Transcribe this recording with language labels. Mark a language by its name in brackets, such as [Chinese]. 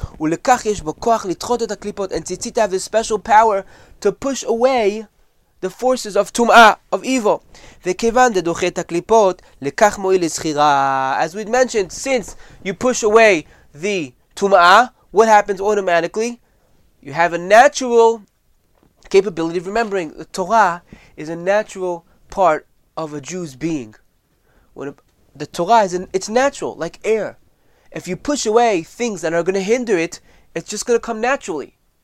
[Hebrew] ולכך יש בו כוח לדחות את הקליפות, [English] and ציצית have this special power to push away the forces of tum'ah, of evil. [Hebrew] וכיוון דדוחה את הקליפות, לכך מועיל לזכירה. [English] As we mentioned, since you push away the tum'ah, what happens automatically? You have a natural capability of remembering. The Torah is a natural part of a Jew's being. The Torah it's natural, like air. If you push away things that are going to hinder it, it's just going to come naturally.